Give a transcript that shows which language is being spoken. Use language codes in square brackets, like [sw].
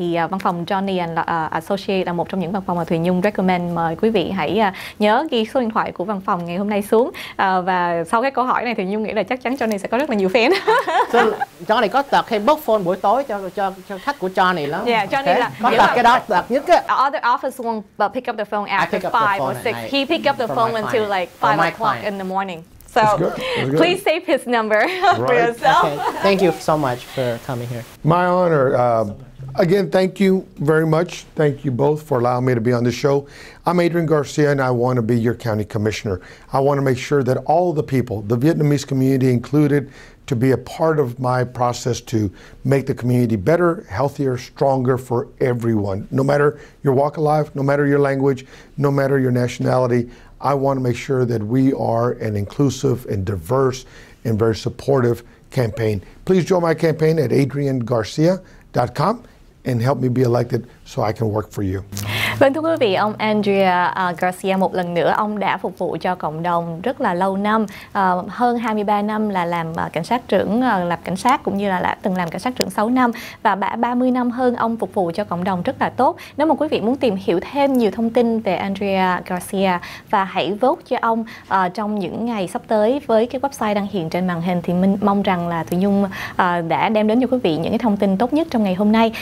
[vi] Thì văn phòng Johnny and Associate là một trong những văn phòng mà Thùy Nhung recommend, mời quý vị hãy nhớ ghi số điện thoại của văn phòng ngày hôm nay xuống. Và sau cái câu hỏi này thì Nhung nghĩ là chắc chắn Johnny sẽ có rất là nhiều fan. So, Johnny có tật hay bốc phone buổi tối cho khách của Johnny lắm. [en] Yeah, Johnny okay. [vi] Là có tật cái đó tật nhất cái. [en] Other office won't but pick up the phone after 5 or 6. He pick up the phone until like 5 o'clock in the morning. So please save his number for yourself. Okay. Thank you so much for coming here. My honor. Again, thank you very much. Thank you both for allowing me to be on the show. I'm Adrian Garcia, and I want to be your county commissioner. I want to make sure that all the people, the Vietnamese community included, to be a part of my process to make the community better, healthier, stronger for everyone. No matter your walk of life, no matter your language, no matter your nationality, I want to make sure that we are an inclusive and diverse and very supportive campaign. Please join my campaign at adriangarcia.com. And help me be elected so I can work for you. [vi] Vâng, thưa quý vị, ông Andrea Garcia một lần nữa, ông đã phục vụ cho cộng đồng rất là lâu năm, hơn 23 năm là làm cảnh sát trưởng, lập cảnh sát cũng như là từng làm cảnh sát trưởng 6 năm và 30 năm hơn, ông phục vụ cho cộng đồng rất là tốt. Nếu mà quý vị muốn tìm hiểu thêm nhiều thông tin về Andrea Garcia và hãy vote cho ông trong những ngày sắp tới với cái website đang hiện trên màn hình, thì mình mong rằng là Thùy Nhung đã đem đến cho quý vị những cái thông tin tốt nhất trong ngày hôm nay.